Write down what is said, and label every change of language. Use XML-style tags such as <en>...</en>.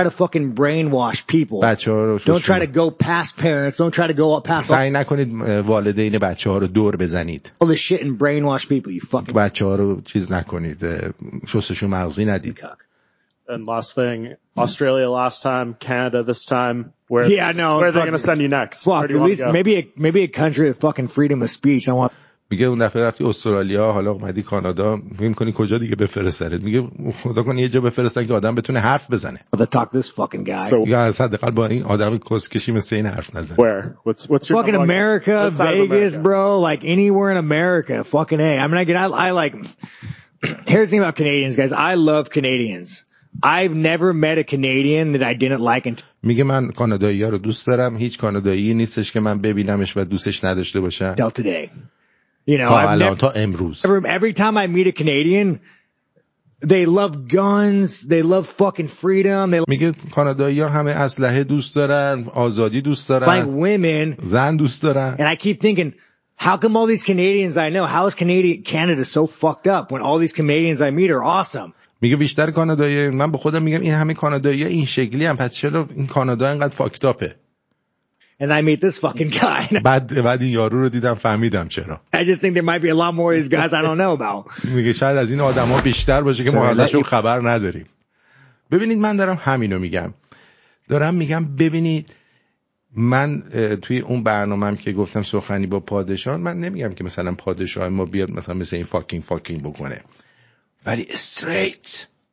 <en>Don't fucking brainwash people. Don't try to go past parents. Don't try to go up past.</en> <fa>سعی نکنید والدین بچه‌ها رو دور بزنید.</fa> <en>All the shit and brainwash people, you fucking.</en> <fa>بچه‌ها رو چیز نکنید. شستشو مغزی ندید.</fa> <en>And last thing, Australia last time, Canada this time. Where yeah, no, where are they going to send you next? Fuck, you at least maybe a country with fucking freedom of speech. I want.</en> <fa>میگه اون دفعه رفتی استرالیا، حالا اومدی کانادا، میگه می‌کنی کجا دیگه بفرستنت؟ میگه خدا کنه یه جا بفرستن که آدم بتونه حرف بزنه. میگه از حد اقل با این آدم کسکشی مثل این حرف نزنه.</fa> <en>Where? What's your fucking America, Vegas, bro, like anywhere in America, fucking A. I mean, I like, here's the thing about Canadians, guys, I love Canadians. I've never met a Canadian that I didn't like.</en> <fa>میگه من کانادایی ها رو دوست دارم، هیچ کانادایی نیستش که من ببینمش و دوستش نداشته باشم.</fa> <en>Till today. You know, every time I meet a Canadian, they love guns, they love fucking freedom.</en> <fa>میگه کانادایی‌ها همه اسلحه دوست دارن، آزادی دوست دارن.</fa> <en>Like women.</en> <fa>زن دوست دارن.</fa> <en>And I keep thinking, how come all these Canadians I know, how is Canada so fucked up when all these Canadians I meet are awesome?</en> <fa>میگه بیشتر کانادایی‌ها، من به خودم میگم این همه کانادایی‌ها این شکلی هم، پس چرا این کانادا اینقدر فاکت اپه؟</fa> <en>And I meet this fucking guy.</en> <fa>بعد این یارو رو دیدم فهمیدم چرا.</fa> <en>I just think there might be a lot more of these guys I don't know about.</en> <fa>میگه شاید از این آدم ها بیشتر باشه که ما ازشون خبر نداریم. ببینید من دارم همینو میگم. دارم میگم ببینید من توی اون برنامه‌ام که گفتم سخنی با پادشاه، من نمیگم که مثلا پادشاه ما بیاد مثلا این فاکینگ بکنه. ولی استریت.</fa>